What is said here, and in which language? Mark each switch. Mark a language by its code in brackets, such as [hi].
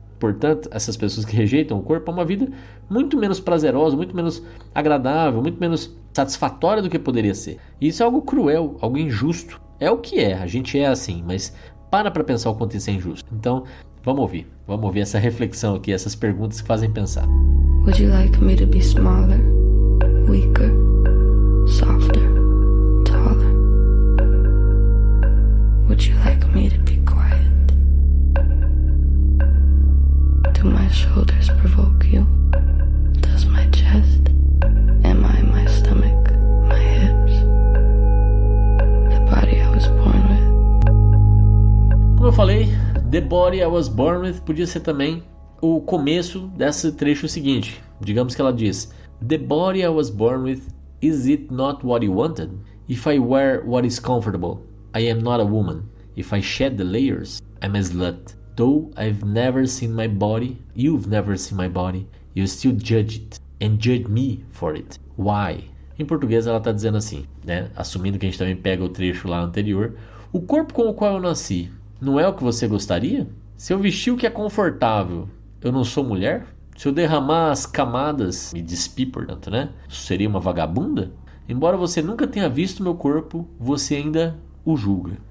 [pt] Portanto, essas pessoas que rejeitam o corpo é uma vida muito menos prazerosa, muito menos agradável, muito menos satisfatória do que poderia ser. E isso é algo cruel, algo injusto. É o que é, a gente é assim, mas para pensar o quanto isso é injusto. Então, vamos ouvir essa reflexão aqui, essas perguntas que fazem pensar. [en] Would you like me to be smaller, weaker, softer, taller? Would you like me to be quiet? Do my shoulders provoke you? Does my chest? Am I my stomach? My hips? The body I was born with? [pt] Como eu falei, [en] The Body I Was Born With [pt] podia ser também o começo desse trecho seguinte. Digamos que ela diz: [en] The body I was born with, is it not what you wanted? If I wear what is comfortable, I am not a woman. If I shed the layers, I'm a slut. Though I've never seen my body, you've never seen my body, you still judge it and judge me for it. Why? [pt] Em português ela está dizendo assim, né? Assumindo que a gente também pega o trecho lá anterior: o corpo com o qual eu nasci não é o que você gostaria? Se eu vestir o que é confortável, eu não sou mulher? Se eu derramar as camadas, me despir, portanto, né? Seria uma vagabunda? Embora você nunca tenha visto meu corpo, você ainda o julga.